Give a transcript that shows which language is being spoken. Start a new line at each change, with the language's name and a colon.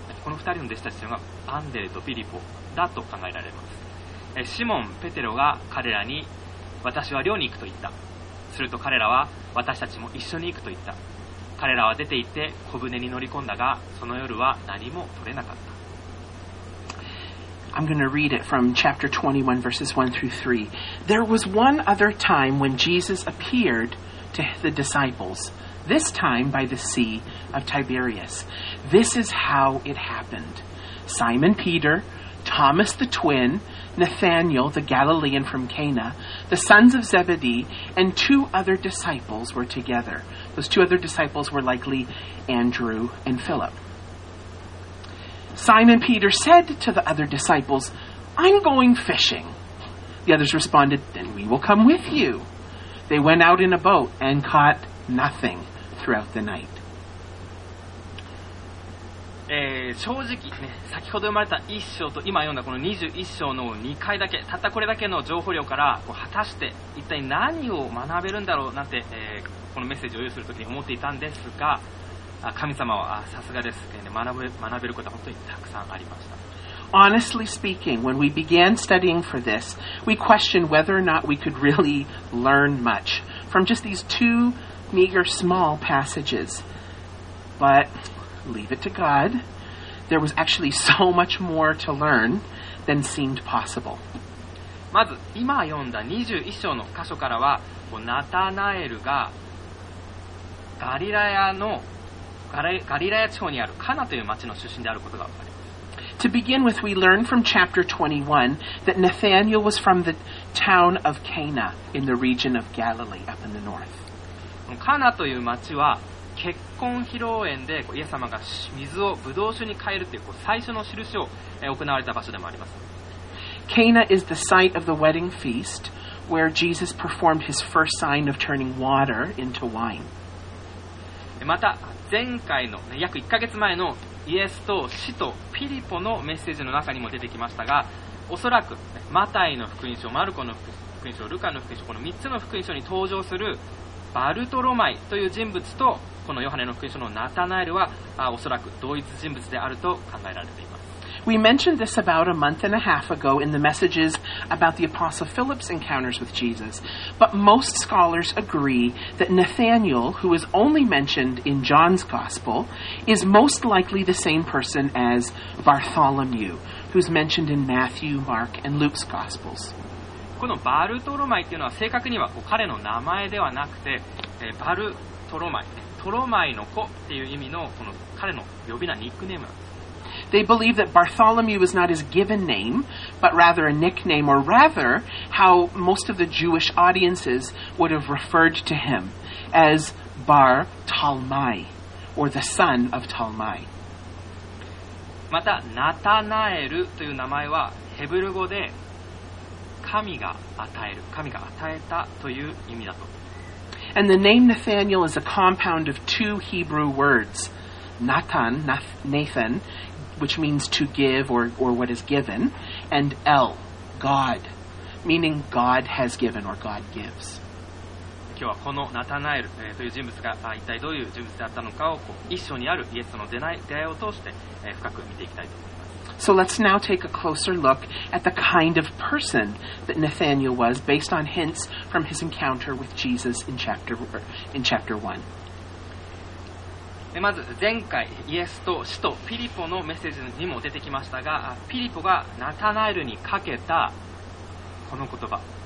Japanese: この2人の弟子たちというのがアンデレとフィリポだと考えられます。シモン・ペテロが彼らに、私は漁に行くと言った。すると彼らは、私たちも一緒に行くと言った。彼らは出て行って小舟に乗り込んだが、その夜は何も取れなかった。
English: I'm going to read it from chapter 21, verses 1 through 3. There was one other time when Jesus appeared to the disciples, this time by the Sea of Tiberias. This is how it happened. Simon Peter, Thomas the twin, Nathanael the Galilean from Cana, the sons of Zebedee, and two other disciples were together. Those two other disciples were likely Andrew and Philip. Simon Peter said to the other disciples, I'm going fishing. The others responded, then we will come with you. They went out in a boat and caught nothing throughout the night.
Japanese: 正直、ね、先ほど生まれた1章と今読んだこの21章の2回だけ、たったこれだけの情報量から、果たして一体何を学べるんだろうなんて、このメッセージを用意するときに思っていたんですが、神様はさすがです。学べることは本当にたくさんありました。
English: Honestly speaking, when we began studying for this, we questioned whether or not we could really learn much from just these two meager small passages. But leave it to God. There was actually so much more to learn than seemed possible.
Japanese: まず今読んだ21章の箇所からは、ナタナエルがガリラヤのガリラヤ地方にあるカナという町の出身であることが分かります。
English: To begin with, we learn from chapter 21 that Nathanael was from the town of Cana in the region of Galilee up in the north.
Japanese: カナという町は結婚披露宴でイエス様が水をブドウ酒に変えるという最初の印を行われた場所でもあります。
English: Cana is the site of the wedding feast where Jesus performed his first sign of turning water into wine.
Japanese: また前回の約1ヶ月前のイエスと使徒ピリポのメッセージの中にも出てきましたが、おそらくマタイの福音書、マルコの福音書、ルカの福音書、この3つの福音書に登場するバルトロマイという人物とこのヨハネの福音書のナタナエルはおそらく同一人物であると考えられています。
English: We mentioned this about a month and a half ago in the messages about the Apostle Philip's encounters with Jesus, but most scholars agree that Nathanael, who is only mentioned in John's Gospel, is most likely the same person as Bartholomew, who's mentioned in Matthew, Mark, and Luke's Gospels.
Japanese: このバルトロマイというのは正確には彼の名前ではなくて、バルトロマイ、トロマイの子という意味の、この彼の呼び名、ニックネームなんです。
English: They believe that Bartholomew was not his given name, but rather a nickname, or rather how most of the Jewish audiences would have referred to him as Bar Talmai, or the son of Talmai.
Japanese: また、ナタナエルという名前はヘブル語で神が与える、神が与えたという意味だと。
English: And the name Nathanael is a compound of two Hebrew words, Nathan, Nathan, which means to give or what is given, and El, God, meaning God has given or God gives.
Japanese: 今日はこのナタナエル、という人物が、一体どういう人物だったのかをこう一緒にあるイエスとの出会いを通して、深く見ていきたいと思います。
English: So let's now take a closer look at the kind of person that Nathanael was based on hints from his encounter with Jesus in chapter 1.
Japanese: まず前回イエスと使徒フィリポのメッセージにも出てきましたが、フィリポがナタナエルにかけたこの言葉。